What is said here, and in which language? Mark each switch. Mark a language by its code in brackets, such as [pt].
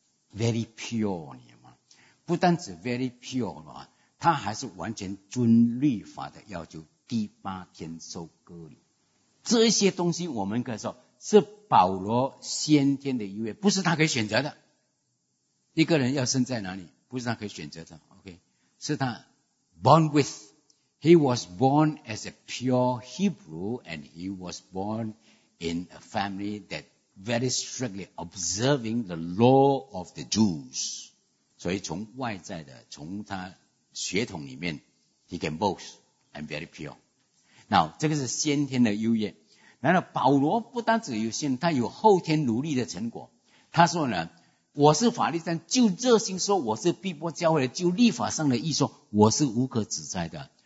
[en] Very pure, [zh] 你知道吗？不单只 [en] very pure, [zh] 他还是完全遵律法的要求，第八天受割礼。这些东西我们可以说是保罗先天的优越，不是他可以选择的。一个人要生在哪里不是他可以选择的 ,OK? 是他 [en] born with. He was born as a pure Hebrew and he was born in a family that very strictly observing the law of the Jews. [zh] 所以从外在的，从他血统里面 [en] he can boast and very pure. Now, [zh] 这个是先天的优越。然后保罗不单只有先，他有后天努力的成果。他说呢，我是法律上就热心说我是逼迫教会的，就立法上的义说我是无可指摘的。